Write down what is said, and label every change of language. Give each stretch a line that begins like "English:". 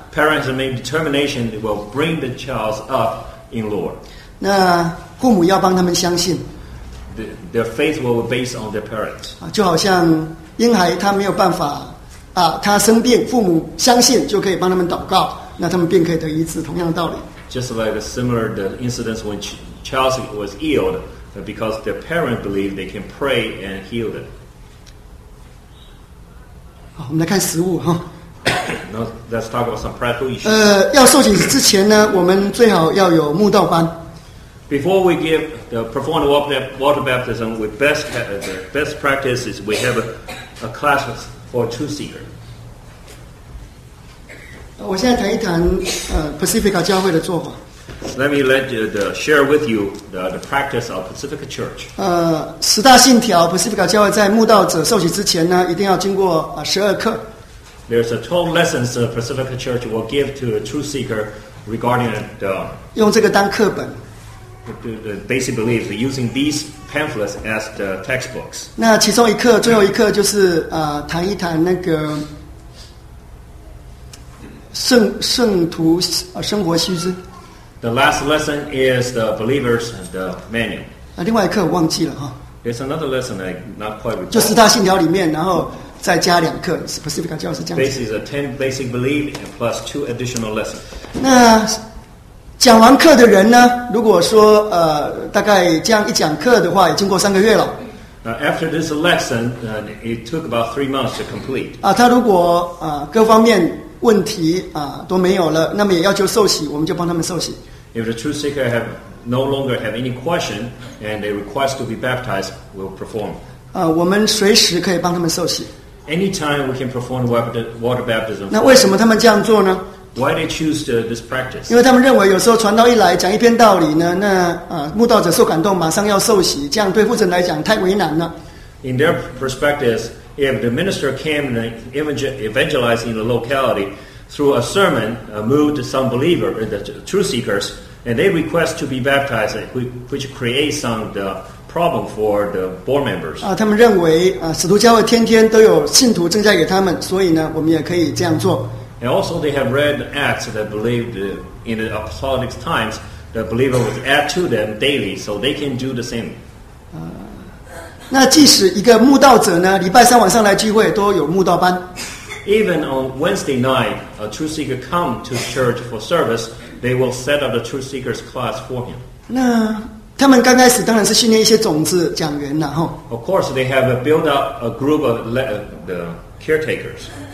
English: Parents make determination that will bring the child up in Lord.
Chinese: 那父母要帮他们相信。
English: Their faith will be based on their parents.
Chinese: 就好像婴孩他没有办法他生病，父母相信就可以帮他们祷告，那他们便可以得医治，同样的道理。
English: Just like a similar the incidents when Charles was ill, because their parents believe they can pray and heal them.
Chinese: 好，我们来看食物哈。
English: Now let's talk about some practical issues.
Chinese: 要受洗之前呢，我们最好要有慕道班。
English: Before we give the perform the water baptism, we best have, the best practice is we have a class for truth seeker.
Chinese: 我现在谈一谈Pacifica 教会的做法。
English: Let me let you, the, share with you the practice of Pacifica Church.
Chinese: 十大信条 Pacifica 教会在慕道者受洗之前呢，一定要经过十二课。
English: There's a 12 lessons the Pacifica Church will give to a truth seeker regarding the
Chinese: 用这个当课本。
English: The basic beliefs using these pamphlets as the textbooks.
Chinese: 那其中一课，最后一课就是谈一谈那个圣徒生活须知。
English: The last lesson is the believers and the manual.
Chinese: 另外一课我忘记了哈。
English: There's another lesson I not quite recall.
Chinese: 就十大信条里面，然后再加两课 ，specific 教是这样。
English: Basically, the 10 basic beliefs and plus 2 additional lessons.
Chinese: 那讲完课的人呢，如果说大概这样一讲课的话，也经过三个月了。
English: After this lesson, it took about 3 months to complete.
Chinese: 他如果各方面问题都没有了，那么也要求受洗，我们就帮他们受洗。
English: If the truth seeker have no longer have any question and they request to be baptized, we'll perform.
Chinese: 我们随时可以帮他们受洗。
English: Anytime we can perform water baptism.
Chinese: 那为什么他们这样做呢？
English: Why they choose this practice?
Chinese: 因为他们认为有时候传道一来讲一篇道理呢，那慕道者受感动，马上要受洗，这样对父神来讲太为难了。
English: In their perspectives, if the minister came and evangelized in the locality through a sermon, moved some believer, the truth seekers, and they request to be baptized, which creates some problem for the board members.
Chinese: 他们认为使徒教会天天都有信徒增加给他们，所以呢，我们也可以这样做。
English: And also they have read Acts that believed in the apostolic times, the believer would add to them daily, so they can do the same.
Chinese: 那即使一个慕道者呢，礼拜三晚上来聚会都有慕道班。
English: Even on Wednesday night, a truth seeker come to church for service, they will set up the truth seeker's class for him.
Chinese: 那他们刚开始当然是训练一些种子讲员了吼。
English: Of course, they have built up a group of the caretakers.